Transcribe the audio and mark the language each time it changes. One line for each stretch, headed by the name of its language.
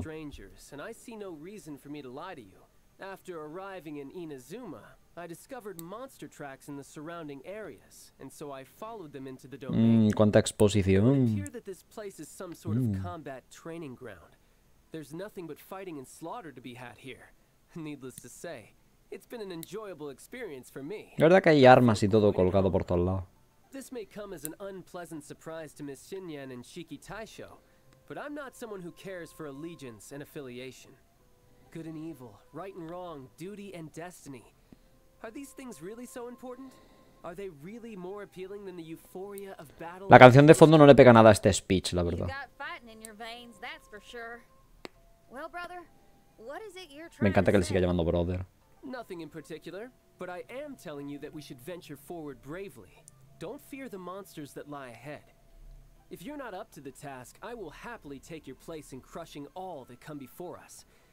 English: Strangers, and I see no reason for me to lie to you. After arriving in Inazuma, I discovered monster tracks in the surrounding areas, and so I followed them into the domain.
Spanish: Cuánta exposición.
English: It appears that this place is some sort of combat training ground. There's nothing but fighting and slaughter to be had here. Needless to say, it's been an enjoyable experience for me.
Spanish: La verdad que hay armas y todo colgado por todos lados.
English: This may come as an unpleasant surprise to Miss Shinyan and Shiki Taisho, but I'm not someone who cares for allegiance and affiliation. Good and evil, right and wrong, duty and destiny. Are these things really so important? Are they really more appealing than the euphoria of battle?
Spanish: La canción de fondo no le pega nada a este speech, la verdad.
English: You got fighting in your veins, that's for sure. Well, brother, what is it you're trying to say?
Spanish: Me encanta que le siga llamando brother.
English: Nothing in particular, but I am telling you that we should venture forward bravely. Don't fear the monsters that lie ahead. If you're not up to the task, I will happily take your place in crushing all that come before us.